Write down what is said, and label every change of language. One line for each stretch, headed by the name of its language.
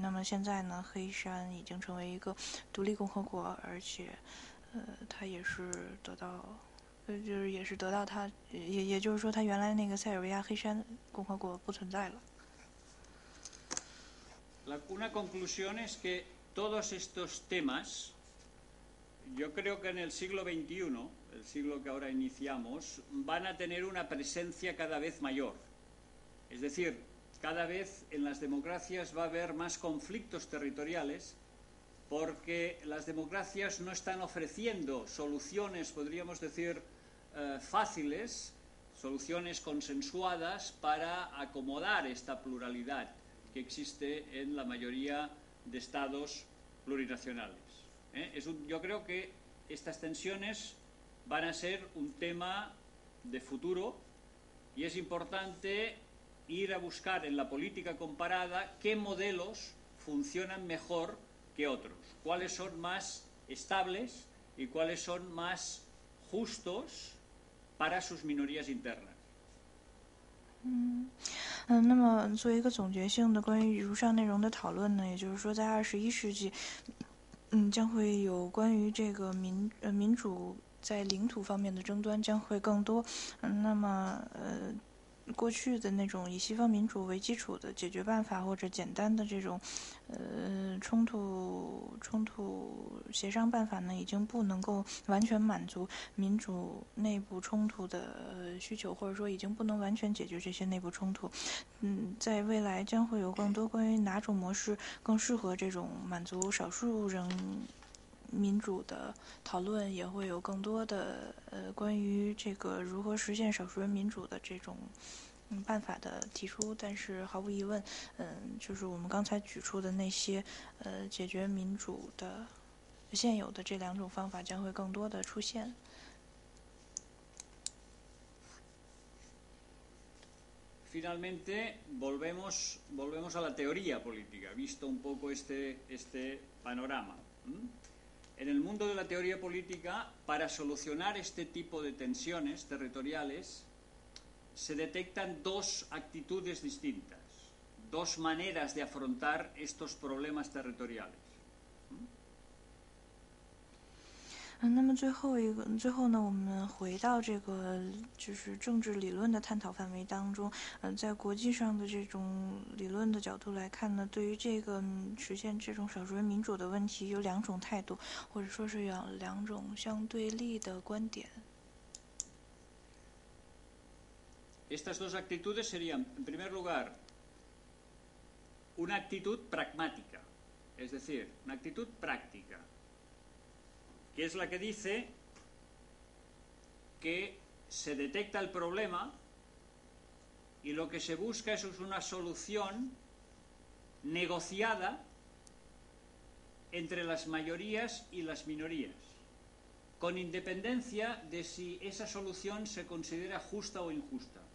Chinese: 那么现在呢，黑山已经成为一个独立共和国，而且，他也是得到，就是也是得到他，也就是说，他原来那个塞尔维亚黑山共和国不存在了。
Spanish: Una conclusión es que todos estos temas, yo creo que en el siglo XXI, el siglo que ahora iniciamos, van a tener una presencia cada vez mayor. Es decir, cada vez en las democracias va a haber más conflictos territoriales. Porque las democracias no están ofreciendo soluciones, podríamos decir, fáciles, soluciones consensuadas para acomodar esta pluralidad que existe en la mayoría de estados plurinacionales. Yo creo que estas tensiones van a ser un tema de futuro y es importante ir a buscar en la política comparada qué modelos funcionan mejor que otros, cuáles son más estables y cuáles son más justos para sus minorías internas.
Chinese: 那么作为一个总结性的关于如上内容的讨论呢，也就是说在21世纪，将会有关于这个民主在领土方面的争端将会更多。那么过去的那种以西方民主为基础的解决办法或者简单的这种冲突协商办法呢，已经不能够完全满足民主内部冲突的需求，或者说已经不能完全解决这些内部冲突。在未来将会有更多关于哪种模式更适合这种满足少数人民主的讨论，也会有更多的关于这个如何实现少数人民主的这种办法的提出。但是毫无疑问，就是我们刚才举出的那些解决民主的现有的这两种方法将会更多的出现。
Spanish: Finalmente volvemos a la teoría política, visto un poco este panorama. En el mundo de la teoría política, para solucionar este tipo de tensiones territoriales, se detectan 2 actitudes distintas, 2 maneras de afrontar estos problemas territoriales.
Chinese: 那么最后呢，我们回到这个就是政治理论的探讨范围当中。在国际上的这种理论的角度来看呢，对于这个实现这种少数人民主的问题，有2种态度，或者说是有2种相对立的观点。
Spanish: Estas dos actitudes serían, en primer lugar, una actitud pragmática, es decir, una actitud práctica, que es la que dice que se detecta el problema y lo que se busca es una solución negociada entre las mayorías y las minorías, con independencia de si esa solución se considera justa o injusta.